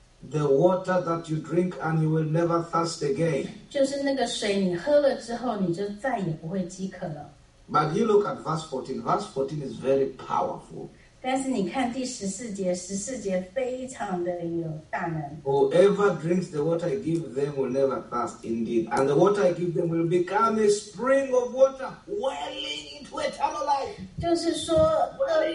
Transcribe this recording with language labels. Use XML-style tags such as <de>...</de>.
<en>The water that you drink and you will never thirst again.</en> <zh>就是那个水，你喝了之后，你就再也不会饥渴了。</zh> <en>But you look at verse 14. Verse 14 is very powerful.</en> <zh>但是你看第十四节，十四节非常的有大能。</zh> <en>Whoever drinks the water I give them will never thirst indeed. And the water I give them will become a spring of water welling into eternal life.</en>